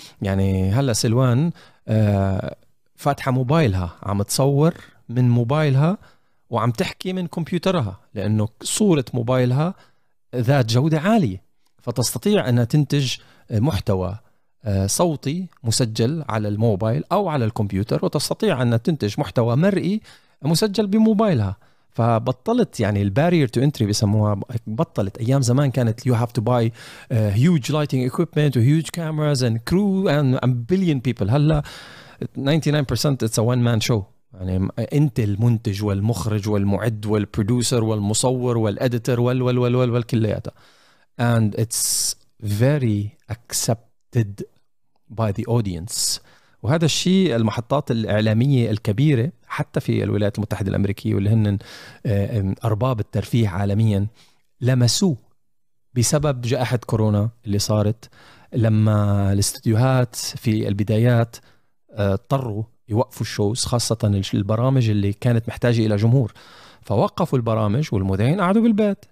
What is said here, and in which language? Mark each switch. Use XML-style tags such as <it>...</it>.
<ar>يعني هلا سلوان فاتحه موبايلها عم تصور من موبايلها وعم تحكي من كمبيوترها لأنه صورة موبايلها ذات جودة عالية, فتستطيع أنها تنتج محتوى صوتي مسجل على الموبايل أو على الكمبيوتر, وتستطيع أنها تنتج محتوى مرئي مسجل بموبايلها. فبطلت يعني</ar> <en>البارير to entry</en> <ar>بيسموها, بطلت. أيام زمان كانت</ar> <en>you have to buy huge lighting equipment and huge cameras and crew and a billion people.</en> <ar>هلا</ar> <en>99% it's a one man show.</en> <ar>يعني انت المنتج والمخرج والمعد والبرودوسر والمصور والاديتر والكلياتها,</ar> <en>and it's very accepted by the audience.</en> <ar>وهذا الشيء المحطات الإعلامية الكبيرة حتى في الولايات المتحدة الأمريكية واللي هن أرباب الترفيه عالميا لمسوه بسبب جائحة كورونا اللي صارت, لما الاستوديوهات في البدايات اضطروا يوقفوا الشوز خاصة البرامج اللي كانت محتاجة إلى جمهور, فوقفوا البرامج والمذيعين قعدوا بالبيت.</ar>